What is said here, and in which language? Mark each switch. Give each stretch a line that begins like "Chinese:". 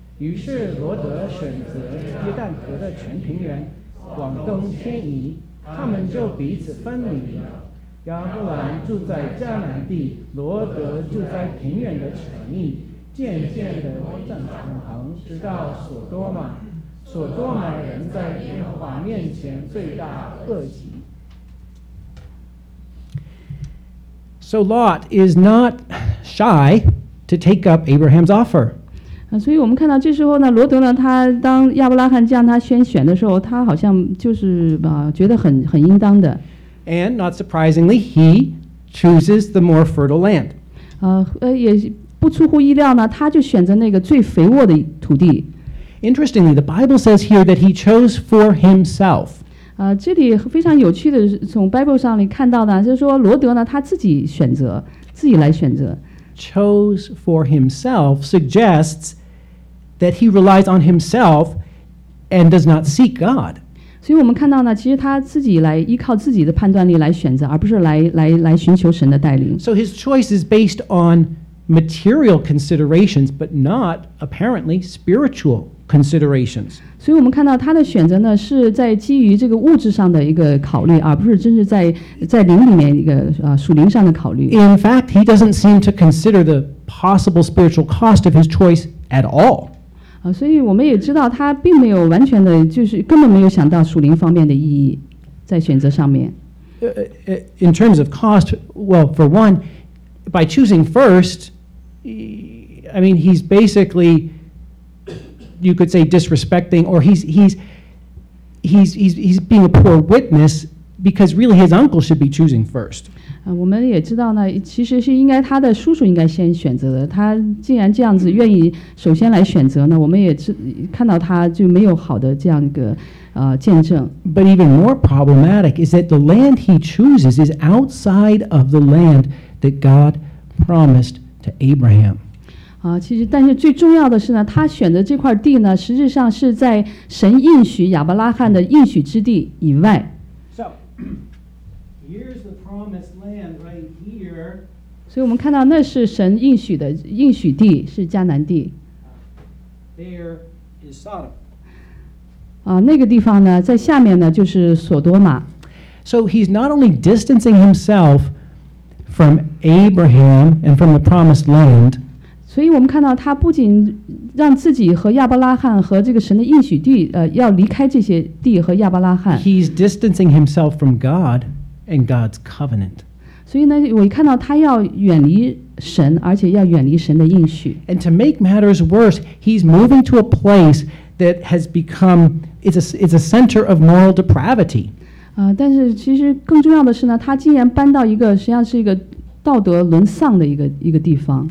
Chinese: 于是罗德选择约旦河的全平原，往东迁移，他们就彼此分离了。亚伯兰住在迦南地，罗德住在平原的城邑，渐渐地扩展长城，直到索多玛。索多玛人在耶和华面前罪大恶极。
English: So Lot is not shy to take up Abraham's offer.
Chinese: 所以我们看到这时候呢，罗德呢，他当亚伯拉罕将他先选的时候，他好像就是啊，觉得很应当的。
English: And not surprisingly, he chooses the more fertile land.
Chinese: 也不出乎意料呢，他就选择那个最肥沃的土地。
English: Interestingly, the Bible says here that he chose for himself.
Chinese: 这里非常有趣的，从 Bible 上里看到的，就是说罗德呢，他自己选择，自己来选择。
English: Chose for himself suggests that he relies on himself and does not seek God.
Chinese: 所以我们看到呢，其实他自己来依靠自己的判断力来选择，而不是来寻求神的带领。
English: So his choice is based on material considerations, but not apparently spiritual considerations.
Chinese: 所以我们看到他的选择呢，是在基于这个物质上的一个考虑，而不是真是在灵里面一个属灵上的考虑。
English: In fact, he doesn't seem to consider the possible spiritual cost of his choice at all.
Chinese: 所以我们也知道他并没有完全的，就是根本没有想到属灵方面的意义在选择上面。
English: In terms of cost, well, for one, by choosing first, I mean, he's basically... You could say disrespecting, or he's being a poor witness because really his uncle should be choosing first.
Chinese: 我们也知道呢，其实是应该他的叔叔应该先选择的。他既然这样子愿意首先来选择呢，我们也看到他就没有好的这样一个见证。
English: But even more problematic is that the land he chooses is outside of the land that God promised to Abraham.
Chinese: 其实但是最重要的是呢，他选择这块地呢，实际上是在神应许亚伯拉罕的应许之地以外。
English: So, here's the promised land right here.
Chinese: 所以我们看到那是神应许地，是迦南地。
English: There is Sodom.
Chinese: 那个地方呢，在下面呢，就是索多玛。
English: So he's not only distancing himself from Abraham and from the promised land,
Chinese: 所以我们看到他不仅让自己和亚伯拉罕和这个神的应许地要离开这些地和亚伯拉罕。
English: He's distancing himself from God and God's covenant.
Chinese: 所以呢，我一看到他要远离神，而且要远离神的应许。
English: And to make matters worse, he's moving to a place that has become, it's a center of moral depravity.
Chinese: 但是其实更重要的是呢，他竟然搬到一个实际上是一个道德沦丧的一个地方。